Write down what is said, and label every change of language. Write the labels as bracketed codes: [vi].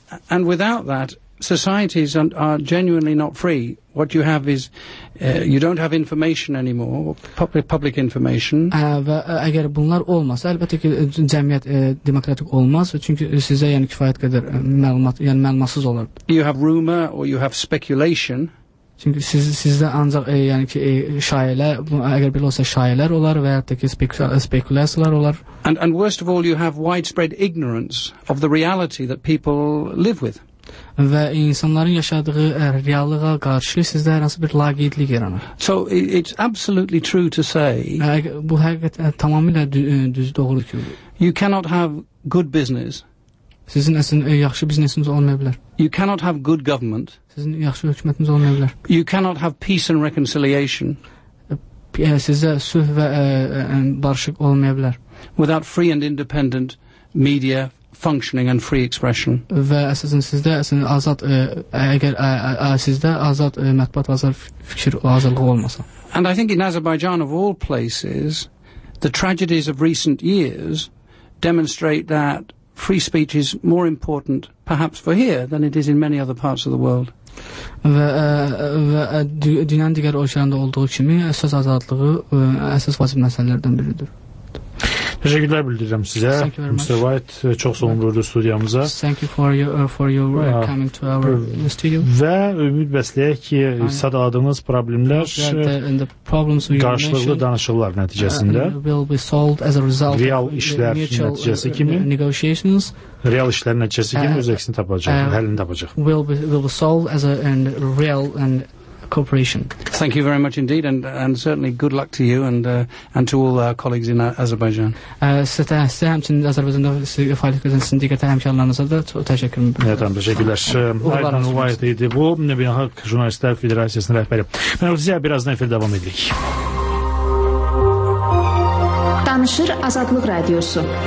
[en] And without that societies are genuinely not free. What you have is you don't have information anymore, public information. [az] Və əgər bunlar olmasa, əlbəttə ki, cəmiyyət demokratik olmaz, çünki sizə yəni kifayət qədər məlumat, yəni məlumatsız olar. [en] You have rumor or you have speculation. [az] Çünki sizdə ancaq yəni ki, şayələr, əgər belə olsa şayələr olar və ya da ki, spekulyasiyalar olar. [en] And worst of all, you have widespread ignorance of the reality that people live with. [az] Və insanların yaşadığı reallığa qarşı sizdə hər hansı bir laqeydlik yaranır. [en] So it's absolutely true to say. [az] Bu həqiqətən tamamilə düz doğrudur ki. [en] You cannot have good business. [az] Sizin əsl yaxşı biznesiniz olmaya bilər. [en] You cannot have good government. [az] Sizin yaxşı hökumətiniz olmaya bilər. [en] You cannot have peace and reconciliation. [az] Sizə sülh və barışıq olmaya bilər. [en] Without free and independent media functioning and free expression. [az] Və əsasən sizdə azad əgər sizdə azad mətbuat azad fikir azadlığı olmasa. [en] And I think in Azerbaijan of all places the tragedies of recent years demonstrate that free speech is more important perhaps for here than it is in many other parts of the world. [az] Və dünyanın digər ölkələrində olduğu kimi söz azadlığı əsas vacib məsələlərdən biridir. Təşəkkürlər bildirirəm sizə. Mr. White, çox sağ olun burada studiyamıza. [en] Thank you for your coming to our studio. [az] Və ümid bəsləyək ki, sadə adınız problemlər qarşılıqlı danışıqlar nəticəsində [en] will be solved as a result [az] real işlər nəticəsi kimi [en] negotiations [az] real işlər nəticəsi kimi öz əksini tapacaq, həllini tapacaq. [en] Will be solved as a and real and cooperation. Thank you very much indeed and certainly good luck to you and to all our colleagues in Azerbaijan. [az] Sizə həmçinin Azərbaycanda sizə fəaliyyət göstərən sizin digər həmkarlarınıza da çox təşəkkür edirəm. Evet, təşəkkürlər. Aydın Uvayt idi bu. Beynəlxalq Jurnalistlər Federasiyasının rəhbəri. Mən sizə bir az efir davam edirik. Danışır Azadlıq Radiosu.